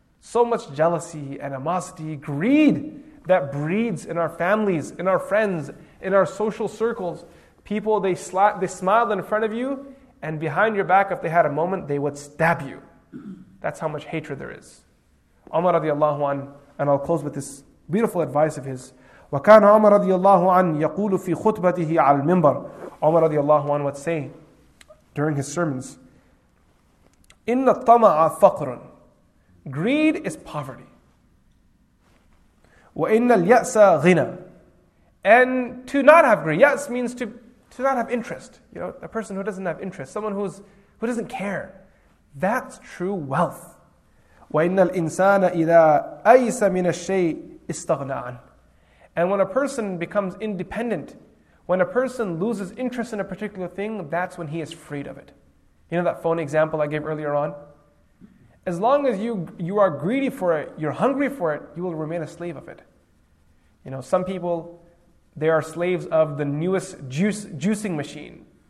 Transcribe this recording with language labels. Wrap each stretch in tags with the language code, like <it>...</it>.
<en>So much jealousy, animosity, greed that breeds in our families, in our friends, in our social circles. People, they smile in front of you, and behind your back, if they had a moment, they would stab you. That's how much hatred there is. Umar radiallahu anhu, and I'll close with this beautiful advice of his.</en> <ar>وكان عمر رضي الله عنه يقول في خطبته على المنبر. عمر رضي الله عنه</ar> <en>would say during his sermons,</en> <ar>إن الطمع فقر.</ar> <en>Greed is poverty.</en> <ar>وإن اليأس غنى.</ar> <en>And to not have greed. يأس means to not have interest. You know, a person who doesn't have interest, someone who doesn't care. That's true wealth.</en> <ar>وإن الإنسان إذا أيس من الشيء استغنى عنه.</ar> <en>And when a person becomes independent, when a person loses interest in a particular thing, that's when he is freed of it. You know that phone example I gave earlier on? As long as you are greedy for it, you're hungry for it, you will remain a slave of it. You know, some people, they are slaves of the newest juicing machine.</en>